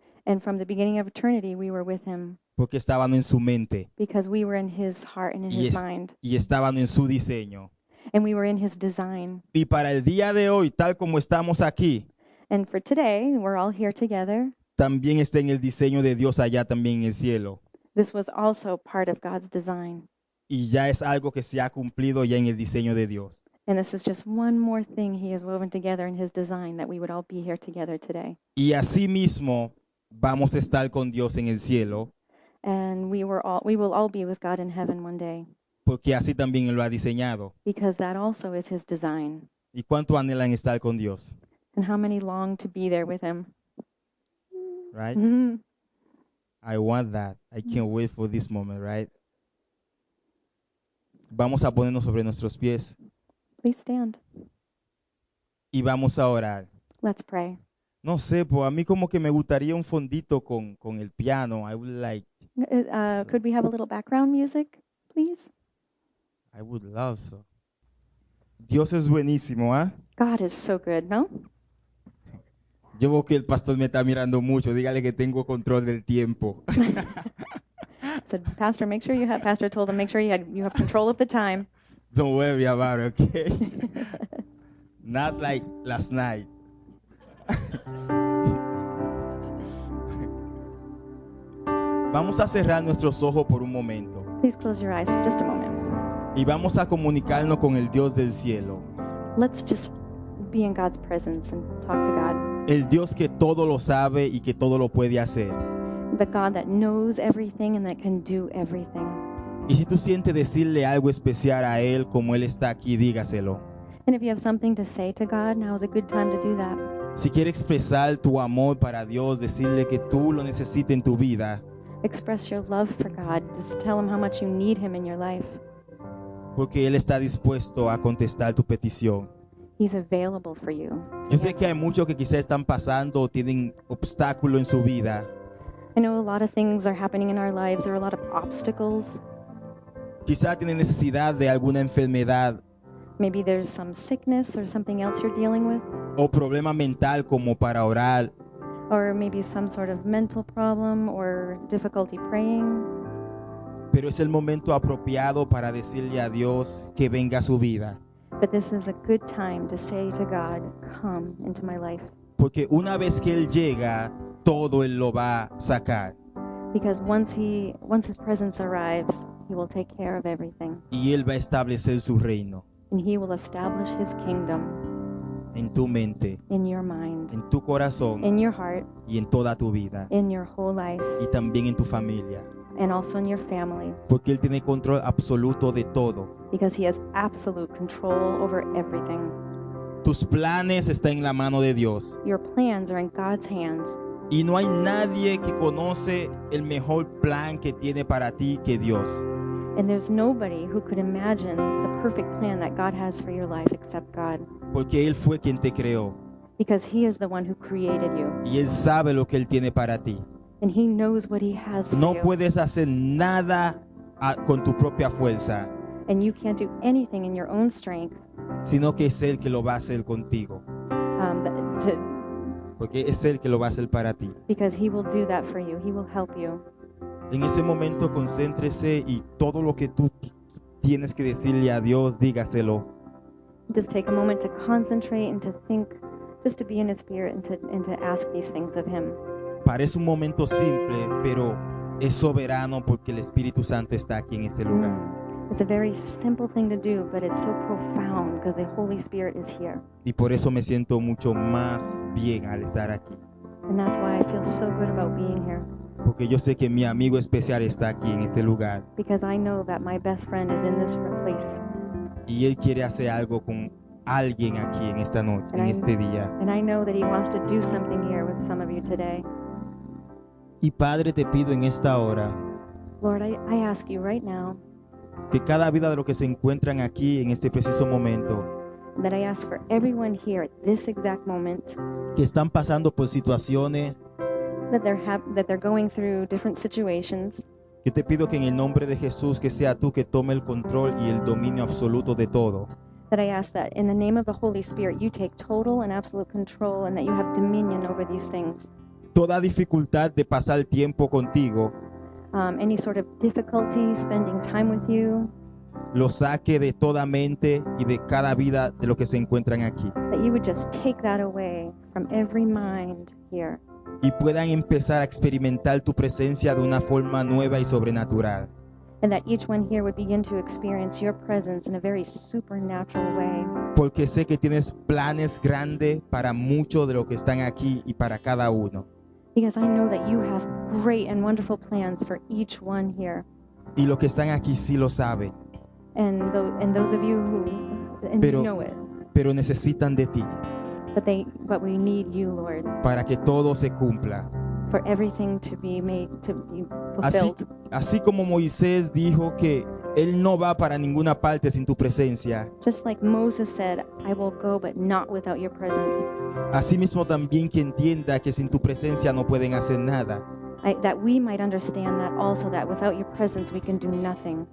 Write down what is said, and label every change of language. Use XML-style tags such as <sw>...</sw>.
<en>And from the beginning of eternity we were with him.</en> <es>Porque estábamos en su mente.</es> <en>Because we were in his heart and in his mind.</en> <es>Y estábamos en su diseño.</es> <en>And we were in his design.</en> <es>Y para el día de hoy, tal como estamos aquí.</es> <en>And for today, we're all here together.</en> <es>También está en el diseño de Dios allá también en el cielo.</es> <en>This was also part of God's design.</en> <es>Y ya es algo que se ha cumplido ya en el diseño de Dios.</es> <en>And this is just one more thing he has woven together in his design that we would all be here together today.</en> <es>Y así mismo vamos a estar con Dios en el cielo.</es> <en>And we will all be with God in heaven one day.</en> <es>Porque así también lo ha diseñado.</es> <en>Because that also is his design.</en> <es>¿Y cuánto anhelan estar con Dios?</es> <en>And how many long to be there with him? Right? I want that. I can't wait for this moment, right?</en> <es>Vamos a ponernos sobre nuestros pies.</es> <en>Please stand.</en> <es>Y vamos a orar.</es> <en>Let's pray.</en> <es>No sé, pues a mí como que me gustaría un fondito con el piano.</es> <en>I would like. Could we have a little background music, please? I would love so.</en> <es>Dios es buenísimo, ¿eh?</es> <en>God is so good, no?</en> <es>Yo veo que el pastor me está mirando mucho. Dígale que tengo control del tiempo.</es> <en>So, pastor, make sure you have. Pastor told him, make sure you have control of the time. Don't worry about it, okay? Not like last night.</en> <es>Vamos a cerrar nuestros ojos por un momento.</es> <en>Please close your eyes for just a moment.</en> <es>Y vamos a comunicarnos con el Dios del cielo.</es> <en>Let's just be in God's presence and talk to God.</en> <es>El Dios que todo lo sabe y que todo lo puede hacer.</es> <en>The God that knows everything and that can do everything.</en> <es>Y si tú sientes decirle algo especial a Él, como Él está aquí, dígaselo.</es> <en>And if you have something to say to God, now is a good time to do that.</en> <es>Si quieres expresar tu amor para Dios, decirle que tú lo necesitas en tu vida.</es> <en>Express your love for God. Just tell Him how much you need Him in your life.</en> <es>Porque Él está dispuesto a contestar tu petición.</es> <en>He's available for you.</en> <es>Yo sé que hay muchos que quizás están pasando o tienen obstáculos en su vida.</es> <en>I know a lot of things are happening in our lives. There are a lot of obstacles.</en> <es>Quizás tienen necesidad de alguna enfermedad.</es> <en>Maybe there's some sickness or something else you're dealing with.</en> <es>O problema mental como para orar.</es> <en>Or maybe some sort of mental problem or difficulty praying.</en> <es>Pero es el momento apropiado para decirle a Dios que venga a su vida.</es> <en>But this is a good time to say to God, come into my life.</en> <es>Porque una vez que Él llega, todo Él lo va a sacar.</es> <en>Because once His presence arrives, He will take care of everything.</en> <es>Y Él va a establecer su reino.</es> <en>And He will establish His kingdom.</en> <es>En tu mente.</es> <en>In your mind.</en> <es>En tu corazón.</es> <en>In your heart.</en> <es>Y en toda tu vida.</es> <en>In your whole life.</en> <es>Y también en tu familia.</es> <en>And also in your family.</en> <es>Porque Él tiene control absoluto de todo.</es> <en>Because He has absolute control over everything.</en> <es>Tus planes están en la mano de Dios.</es> <en>Your plans are in God's hands.</en> <es>Y no hay nadie que conoce el mejor plan que tiene para ti que Dios.</es> <en>And there's nobody who could imagine the perfect plan that God has for your life except God.</en> <es>Porque Él fue quien te creó.</es> <en>Because He is the one who created you.</en> <es>Y Él sabe lo que Él tiene para ti.</es> <en>And He knows what He has no for you.</en> <es>No puedes hacer nada con tu propia fuerza.</es> <en>And you can't do anything in your own strength.</en> <es>Sino que es Él que lo va a hacer contigo. Porque es Él que lo va a hacer para ti.</es> <en>Because He will do that for you. He will help you.</en> <es>En ese momento, concéntrese y todo lo que tú tienes que decirle a Dios, dígaselo.</es> <en>Just take a moment to concentrate and to think, just to be in His spirit and to ask these things of Him.</en> <es>Parece un momento simple, pero es soberano porque el Espíritu Santo está aquí en este lugar.</es> <en>It's a very simple thing to do, but it's so profound because the Holy Spirit is here.</en> <es>Y por eso me siento mucho más bien al estar aquí.</es> <en>And that's why I feel so good about being here.</en> <es>Porque yo sé que mi amigo especial está aquí en este lugar.</es> <en>Because I know that my best friend is in this place.</en> <es>Y él quiere hacer algo con alguien aquí en esta noche, en este día.</es> <en>And I know that he wants to do something here with some of you today.</en> <es>Y Padre, te pido en esta hora.</es> <en>Lord, I ask you right now.</en> <es>Que cada vida de los que se encuentran aquí en este preciso momento.</es> <en>That I ask for everyone here at this exact moment.</en> <es>Que están pasando por situaciones.</es> <en>That they're going through different situations.</en> <es>Yo te pido que en el nombre de Jesús que sea tú que tome el control y el dominio absoluto de todo.</es> <en>That I ask that in the name of the Holy Spirit you take total and absolute control and that you have dominion over these things.</en> <es>Toda dificultad de pasar el tiempo contigo.</es> <en>Any sort of difficulty spending time with you.</en> <es>Lo saque de toda mente y de cada vida de los que se encuentran aquí.</es> <en>That you would just take that away from every mind here.</en> <es>Y puedan empezar a experimentar tu presencia de una forma nueva y sobrenatural.</es> <en>And that each one here would begin to experience your presence in a very supernatural way.</en> <es>Porque sé que tienes planes grandes para muchos de los que están aquí y para cada uno.</es> <en>Because I know that you have great and wonderful plans for each one here.</en> <es>Y los que están aquí sí lo saben.</es> <en>And those of you who know it.</en> <es>Pero necesitan de ti.</es> <en>But we need you, Lord.</en> <es>Para que todo se cumpla.</es> <en>For everything to be made, to be fulfilled.</en> <es>Así como Moisés dijo que él no va para ninguna parte sin tu presencia.</es> <en>Just like Moses said, I will go, but not without your presence.</en> <es>Así mismo también que entienda que sin tu presencia no pueden hacer nada.</es> <en>That we might understand that also, that without your presence we can do nothing.</en>